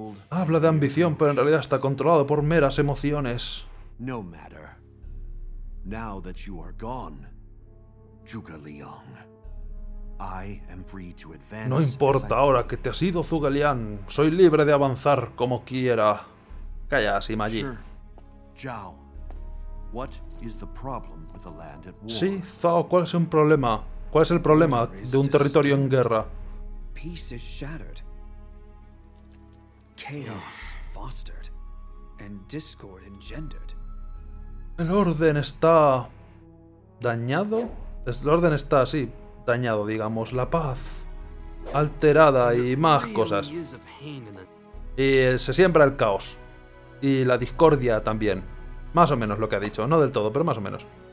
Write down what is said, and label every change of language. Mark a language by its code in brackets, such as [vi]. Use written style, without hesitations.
[es] Habla de ambición, pero en realidad está controlado por meras emociones. [en] No matter. Now that you are gone, Zhuge Liang, I am free to advance. [es] No importa ahora que te has ido, Zhuge Liang. Soy libre de avanzar como quiera. Calla, Sima Ji. [en] Zhao, what is the problem with the land at war? [es] Sí, Zhao, ¿cuál es el problema? ¿Cuál es el problema de un territorio en guerra? [en] Peace is shattered. Chaos fostered and discord engendered. [es] El orden está... ¿dañado? El orden está, sí, dañado, digamos. La paz alterada y más cosas. Y se siembra el caos. Y la discordia también. Más o menos lo que ha dicho. No del todo, pero más o menos.